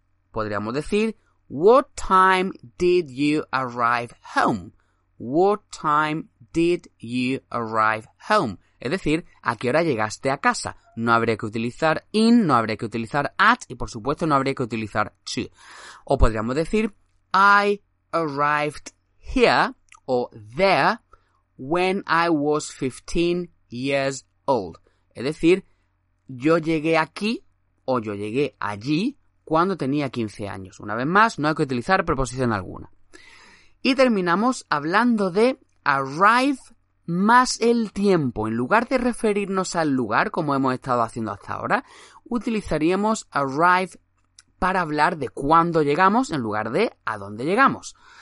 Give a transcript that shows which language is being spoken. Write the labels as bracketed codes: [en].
[es] Podríamos decir, [en] what time did you arrive home? What time did you arrive home? [es] Es decir, ¿a qué hora llegaste a casa? No habría que utilizar in, no habría que utilizar at y por supuesto no habría que utilizar to. O podríamos decir, [en] I arrived here o there when I was 15 years old. [es] Es decir, yo llegué aquí o yo llegué allí cuando tenía 15 años. Una vez más, no hay que utilizar preposición alguna. Y terminamos hablando de arrive más el tiempo. En lugar de referirnos al lugar, como hemos estado haciendo hasta ahora, utilizaríamos arrive para hablar de cuándo llegamos en lugar de a dónde llegamos.